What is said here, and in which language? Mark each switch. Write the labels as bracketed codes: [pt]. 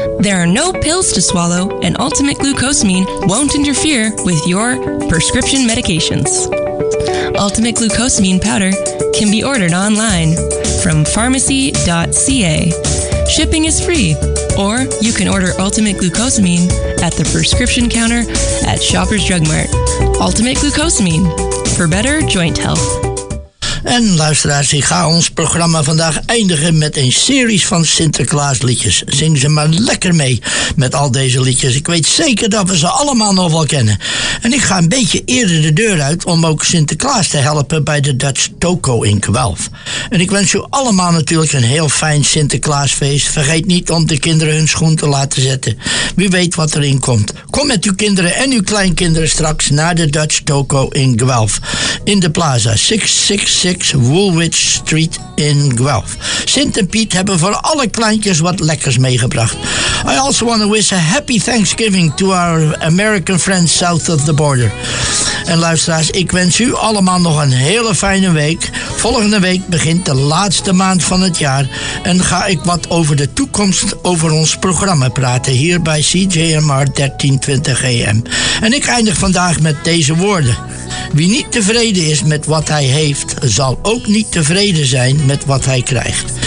[en] There are no pills to swallow, and Ultimate Glucosamine won't interfere with your prescription medications. Ultimate Glucosamine Powder can be ordered online from pharmacy.ca. Shipping is free, or you can order Ultimate Glucosamine at the prescription counter at Shoppers Drug Mart. Ultimate Glucosamine. For better joint health. [nl] En luisteraars, ik ga ons programma vandaag eindigen met een series van Sinterklaas liedjes. Zing ze maar lekker mee met al deze liedjes. Ik weet zeker dat we ze allemaal nog wel kennen. En ik ga een beetje eerder de deur uit om ook Sinterklaas te helpen bij de Dutch Toko in Guelph. En ik wens u allemaal natuurlijk een heel fijn Sinterklaasfeest. Vergeet niet om de kinderen hun schoen te laten zetten. Wie weet wat erin komt. Kom met uw kinderen en uw kleinkinderen straks naar de Dutch Toko in Guelph. In de Plaza 666. Woolwich Street in Guelph. Sint en Piet hebben voor alle kleintjes wat lekkers meegebracht. [en] I also want to wish a happy Thanksgiving to our American friends south of the border. [nl] En luisteraars, ik wens u allemaal nog een hele fijne week. Volgende week begint de laatste maand van het jaar en ga ik wat over de toekomst over ons programma praten hier bij CJMR 1320 AM. En ik eindig vandaag met deze woorden. Wie niet tevreden is met wat hij heeft, zal ook niet tevreden zijn met wat hij krijgt.